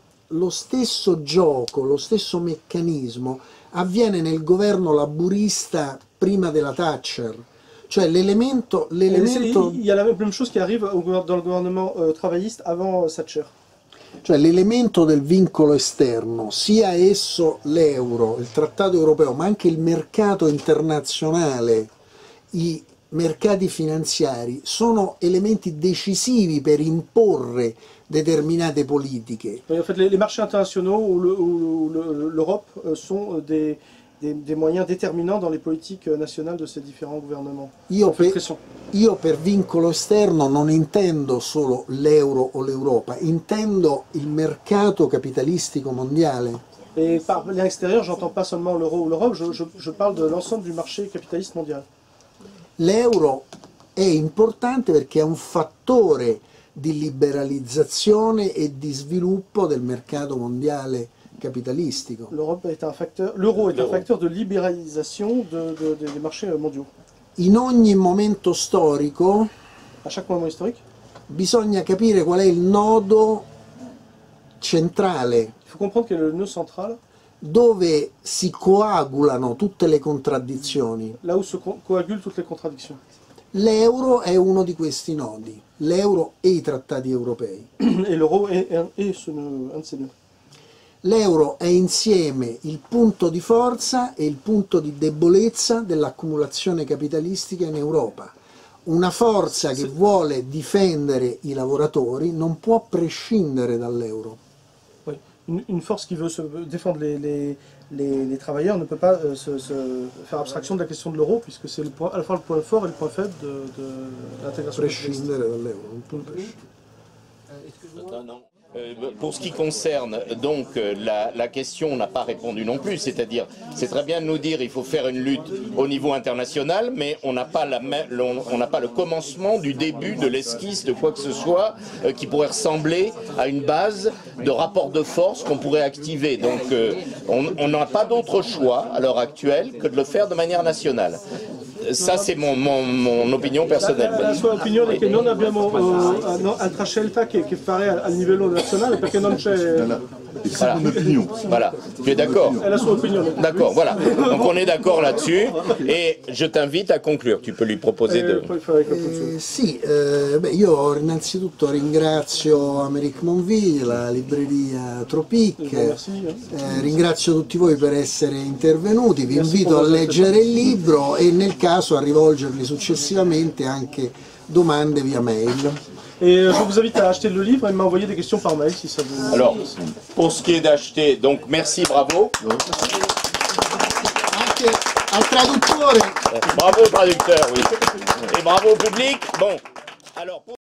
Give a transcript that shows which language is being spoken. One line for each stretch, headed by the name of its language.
Italian: Lo stesso gioco, lo stesso meccanismo avviene nel governo laburista prima della Thatcher. Cioè l'elemento.
French: Il y a la même chose qui arrive dans le gouvernement travailliste avant Thatcher.
Italian: Cioè l'elemento del vincolo esterno, sia esso l'euro, il trattato europeo, ma anche il mercato internazionale, i mercati finanziari, sono elementi decisivi per imporre determinate politiche.
French: Oui, en fait, les marchés internationaux l'Europe sont des moyens déterminants dans les politiques nationales de ces différents gouvernements.
Italian: Io per vincolo esterno non intendo solo l'euro o l'Europa, intendo il mercato capitalistico mondiale.
French: E par l'extérieur, j'entends pas seulement l'euro ou l'Europe, je parle de l'ensemble du marché capitaliste mondial.
Italian: L'euro è importante perché è un fattore di liberalizzazione e di sviluppo del mercato mondiale capitalistico. L'euro è un fattore di liberalizzazione dei marchi mondiali. In ogni momento storico,
French: a chaque moment historique,
Italian: bisogna capire qual è il nodo centrale.
French: Il faut comprendre quel est le nœud central.
Italian: Dove si coagulano tutte le contraddizioni.
French: Là où se coagulent toutes les contradictions.
Italian: L'euro è uno di questi nodi. L'euro e i trattati europei. E l'euro è un di
French: ces nœuds.
Italian: L'euro è insieme il punto di forza e il punto di debolezza dell'accumulazione capitalistica in Europa. Una forza che vuole difendere i lavoratori non può prescindere dall'euro.
French: Oui. Une force qui veut se défendre les travailleurs ne peut pas se faire abstraction
Italian: della questione dell'euro,
French: puisque c'est à la fois le point fort et le point faible de l'intégration.
Italian: Prescindere dall'euro, non può prescindere.
French: Pour ce qui concerne donc la question, on n'a pas répondu non plus, c'est-à-dire c'est très bien de nous dire qu'il faut faire une lutte au niveau international, mais on n'a pas le commencement du début de l'esquisse de quoi que ce soit qui pourrait ressembler à une base de rapport de force qu'on pourrait activer. Donc on n'a pas d'autre choix à l'heure actuelle que de le faire de manière nationale. Ça, c'est mon opinion personnelle.
Italian: La sua opinione è che non abbiamo altra scelta che fare a livello nazionale, perché non c'è.
French: C'est mon opinion. Voilà, tu es d'accord. Elle a son opinion. D'accord, voilà. Donc on est d'accord là-dessus. Et je t'invite à conclure. Tu peux lui proposer de.
Italian: Io innanzitutto ringrazio Americ Monville, la libreria Tropic. Ringrazio tutti voi per essere intervenuti. Vi invito a leggere il libro e nel caso a rivolgervi successivamente anche domande via mail.
French: Et je vous invite à acheter le livre et m'envoyer des questions par mail si ça vous. Alors, pour ce qui est d'acheter, donc merci, bravo.
Italian: Al traduttore.
French: Bravo, traducteur, oui. Et bravo, public. Bon, alors. Pour...